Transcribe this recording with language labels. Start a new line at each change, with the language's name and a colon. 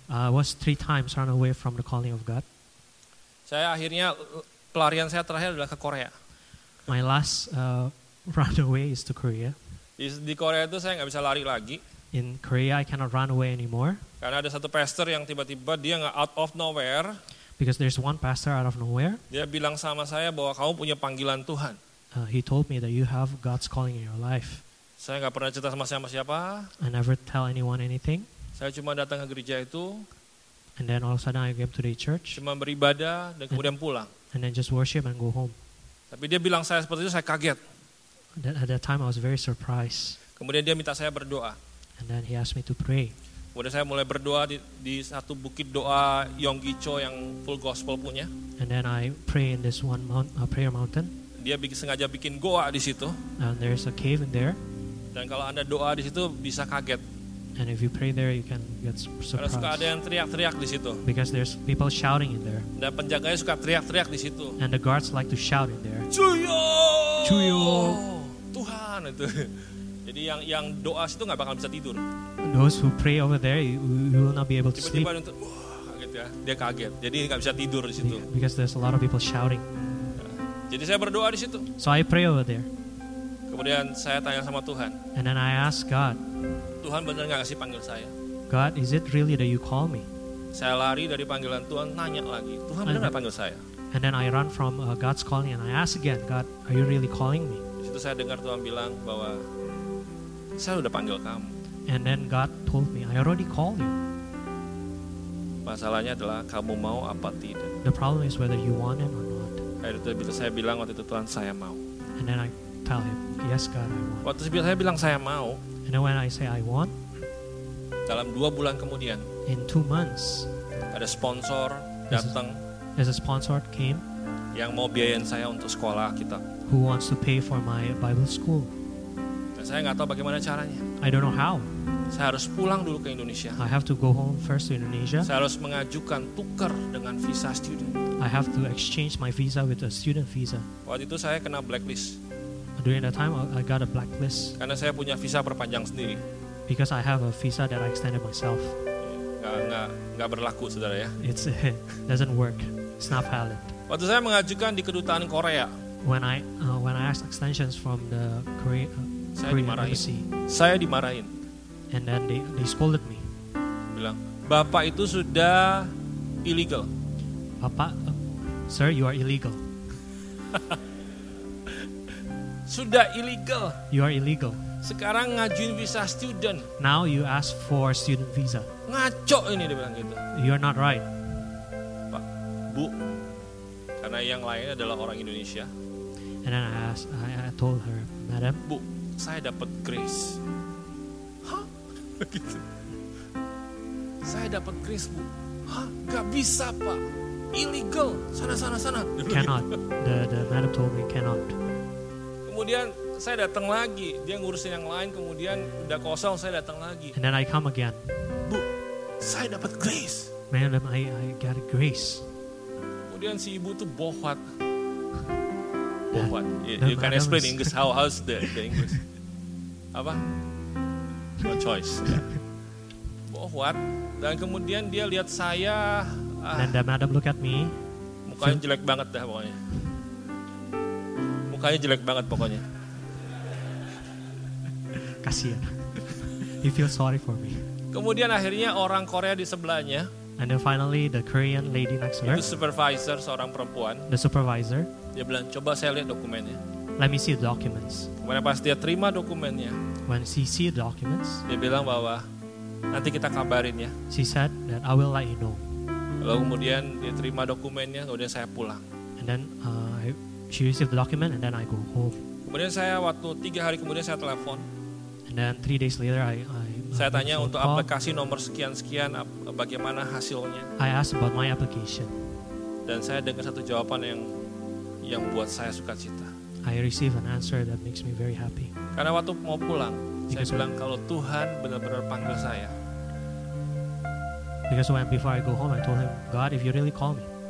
English: Was 3 times run away from the calling of God.
Indonesian: Saya akhirnya pelarian saya terakhir adalah ke Korea.
English: My last run away is to Korea.
Indonesian: Di Korea itu saya nggak bisa lari lagi.
English: In Korea I cannot run away anymore.
Indonesian: Karena ada satu pastor yang tiba-tiba dia nggak
English: out of nowhere. Because there's one pastor out of nowhere.
Indonesian: Dia bilang sama saya bahwa kamu punya panggilan Tuhan.
English: He told me that you have God's calling in your life.
Indonesian: Saya enggak pernah cerita sama siapa-siapa.
English: I never tell anyone anything.
Indonesian: Saya cuma datang ke gereja itu.
English: And then all of a sudden I came to the church.
Indonesian: Cuma beribadah dan kemudian pulang.
English: And then just worship and go home.
Indonesian: Tapi dia bilang saya seperti itu, saya kaget.
English: At that time I was very surprised.
Indonesian: Kemudian dia minta saya berdoa.
English: And then he asked me to pray.
Indonesian: Kemudian saya mulai berdoa di satu bukit doa Yonggi Cho yang full gospel punya.
English: And then I pray in this one prayer mountain.
Indonesian: Dia sengaja bikin goa di situ.
English: And there is a cave in there.
Indonesian: Dan kalau Anda doa di situ bisa kaget.
English: And if you pray there you can get surprised.
Indonesian: Karena suka ada yang teriak-teriak di situ.
English: Because there's people shouting in there.
Indonesian: Dan penjaganya suka teriak-teriak di situ.
English: And the guards like to shout in there.
Korean: Cuyo! Cuyo!
Indonesian: Tuhan itu. Jadi yang doa situ enggak bakal bisa tidur.
English: Those who pray over there you will not be able to sleep.
Indonesian: Tiba-tiba untuk kaget ya. Dia kaget. Jadi enggak bisa tidur di situ.
English: Because there's a lot of people shouting.
Indonesian: Jadi saya berdoa di situ.
English: So I pray over there.
Indonesian: Kemudian saya tanya sama Tuhan.
English: And then I ask God.
Indonesian: Tuhan benar enggak kasih panggil saya?
English: God, is it really that you call me?
Indonesian: Saya lari dari panggilan Tuhan, nanya lagi. Tuhan benar enggak panggil saya?
English: And then I run from God's calling and I ask again, God, are you really calling me?
Indonesian: Di situ saya dengar Tuhan bilang bahwa saya sudah panggil kamu.
English: And then God told me, I already called you.
Indonesian: Masalahnya adalah kamu mau apa tidak.
English: The problem is whether you want it or not.
Indonesian: Itu saya bilang waktu itu, Tuhan, saya mau.
English: And then I tell him, yes God, I want.
Indonesian: Waktu itu saya bilang saya mau.
English: And then when I say I want,
Indonesian: dalam 2 bulan kemudian,
English: in 2 months,
Indonesian: ada sponsor datang.
English: There's a sponsor came
Indonesian: yang mau biayain saya untuk sekolah kita.
English: Who wants to pay for my Bible school?
Indonesian: Dan saya enggak tahu bagaimana caranya.
English: I don't know how.
Indonesian: Saya harus pulang dulu ke Indonesia.
English: I have to go home first to Indonesia.
Indonesian: Saya harus mengajukan tukar dengan visa student.
English: I have to exchange my visa with a student visa.
Indonesian: Waktu itu saya kena blacklist.
English: During that time, I got a blacklist.
Indonesian: Karena saya punya visa perpanjang sendiri.
English: Because I have a visa that I extended myself.
Indonesian: Nggak berlaku, saudara ya.
English: It doesn't work. It's not valid.
Indonesian: Waktu saya mengajukan di kedutaan Korea.
English: When I asked extensions from the Korean embassy.
Indonesian: Saya dimarahin.
English: And then they scolded me.
Indonesian: Bilang, Bapak itu sudah illegal.
English: Bapak, sir, you are illegal.
Indonesian: Sudah illegal.
English: You are illegal.
Indonesian: Sekarang ngajuin visa student.
English: Now you ask for student visa.
Indonesian: Ngaco ini, dia bilang gitu.
English: You are not right.
Indonesian: Pak, Bu, karena yang lain adalah orang Indonesia.
English: And then I told her, Madam.
Indonesian: Bu, saya dapat grace. Saya dapat grace, Bu. Hah? Gak bisa, Pak. Illegal. Sana.
English: Cannot. The madam told me cannot.
Indonesian: Kemudian saya datang lagi. Dia ngurusin yang lain. Kemudian udah kosong, saya datang lagi.
English: And then I come again.
Indonesian: Bu, saya dapat grace.
English: Madam, I got grace.
Indonesian: Kemudian si ibu tuh bohwat. Bohwat.
English: You can explain English. How's the English?
Indonesian: Apa?
English: No choice. Bohwat.
Indonesian: Dan kemudian dia lihat saya.
English: And the madam look at me.
Indonesian: Mukanya jelek banget dah pokoknya. Mukanya jelek banget pokoknya. Kasian.
English: He feels sorry for me.
Indonesian: Kemudian akhirnya orang Korea di sebelahnya.
English: And then finally the Korean lady next to her. The supervisor,
Indonesian: seorang perempuan.
English: The supervisor.
Indonesian: Dia bilang, coba saya lihat dokumennya.
English: Let me see the documents.
Indonesian: Kemudian pas dia terima dokumennya.
English: When she see the documents.
Indonesian: Dia bilang bahwa nanti kita kabarin ya.
English: She said that I will let you know.
Indonesian: Lalu kemudian dia terima dokumennya, kemudian saya pulang.
English: And then she received the document and then I go home.
Indonesian: Kemudian saya waktu 3 hari kemudian saya telepon.
English: And then 3 days later I
Indonesian: saya tanya untuk call. Aplikasi nomor sekian-sekian bagaimana hasilnya.
English: I asked about my application.
Indonesian: Dan saya dengar satu jawaban yang buat saya sukacita.
English: I received an answer that makes me very happy.
Indonesian: Karena waktu mau pulang,
English: because
Indonesian: saya bilang kalau Tuhan benar-benar panggil saya.
English: Because when before I go home, I told him, God, if you really call me,